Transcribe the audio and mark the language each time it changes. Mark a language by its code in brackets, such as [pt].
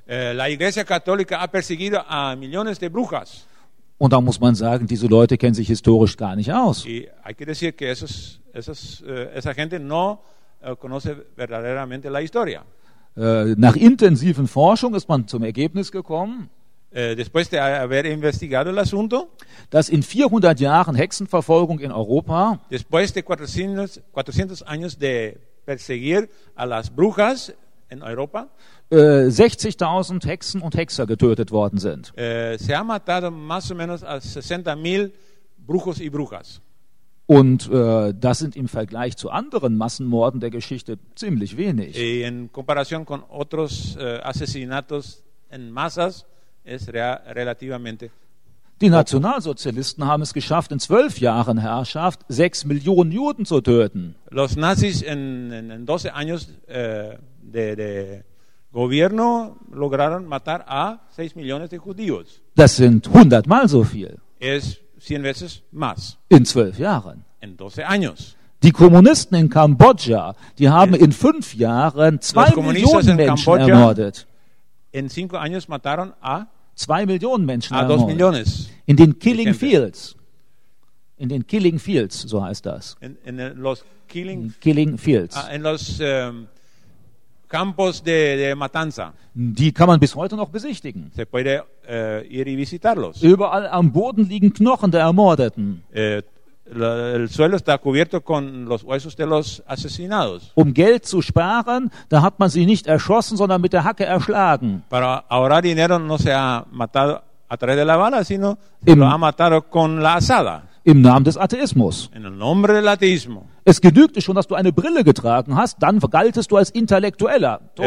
[es] La iglesia católica ha perseguido a millones de brujas. [de] Und da muss man sagen, diese Leute kennen sich historisch gar nicht aus. [es] Y hay que decir que esa gente no conoce verdaderamente la historia. [de] Nach intensiven Forschung ist man zum Ergebnis gekommen, [es] después de haber investigado el asunto, [de] dass in 400 Jahren Hexenverfolgung in Europa, [es] después de 400 años de perseguir a las brujas en Europa, [de] 60.000 Hexen und Hexer getötet worden sind. [es] Se han matado más o menos a 60.000 brujos y brujas. [de] Und das sind im Vergleich zu anderen Massenmorden der Geschichte ziemlich wenig. [es] Y en comparación con otros asesinatos en masas es relativamente. [de] Die Nationalsozialisten haben es geschafft, in 12 Jahren Herrschaft 6 Millionen Juden zu töten. [es] Los nazis en 12 años de gobierno lograron matar a 6 millones de judíos. [de] Das sind 100 mal so viel. [es] Es 100 veces más. [de] In 12 Jahren. [es] En 12 años. [de] Die Kommunisten in Kambodscha, die haben in 5 Jahren 2 Millionen Menschen Kambodscha ermordet. [es] En 5 años mataron a [de] 2 Millionen Menschen [es] a [de] ermordet. [es] 2 millones. [de] In den Killing Fields. In den Killing Fields, so heißt das. [es] In los Killing, Killing Fields. In los Campos de Matanza. [de] Die kann man bis heute noch besichtigen. [es] Se puede ir y visitarlos. [de] Überall am Boden liegen Knochen der Ermordeten. [es] El suelo está cubierto con los huesos de los asesinados. [de] Um Geld zu sparen, da hat man sie nicht erschossen, sondern mit der Hacke erschlagen. [es] Para ahorrar dinero no se ha matado a través de la bala, sino lo ha matado con la azada. [de] Im Namen des Atheismus. [es] En el nombre del ateísmo. [de] Es genügte schon, dass du eine Brille getragen hast, dann galtest du als Intellektueller.